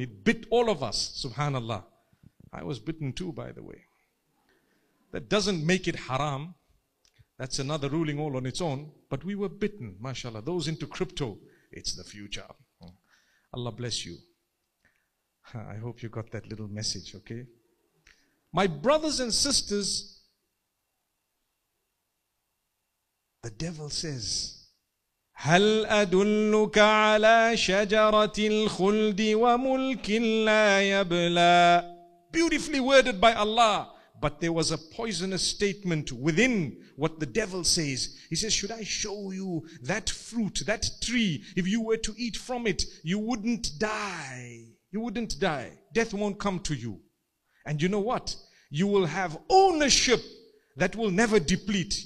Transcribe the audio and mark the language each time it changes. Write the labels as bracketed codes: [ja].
[en] It bit all of us. SubhanAllah. I was bitten too, by the way. That doesn't make it haram. That's another ruling all on its own. But we were bitten, mashallah. Those into crypto, it's the future. Allah bless you. I hope you got that little message, okay? My brothers and sisters, the devil says, [ar] هَلْ أَدُلُّكَ عَلَىٰ شَجَرَةِ الْخُلْدِ وَمُلْكٍ لَا يَبْلَىٰ. [en] Beautifully worded by Allah. But there was a poisonous statement within what the devil says. He says, should I show you that fruit, that tree? If you were to eat from it, you wouldn't die. You wouldn't die. Death won't come to you. And you know what? You will have ownership that will never deplete.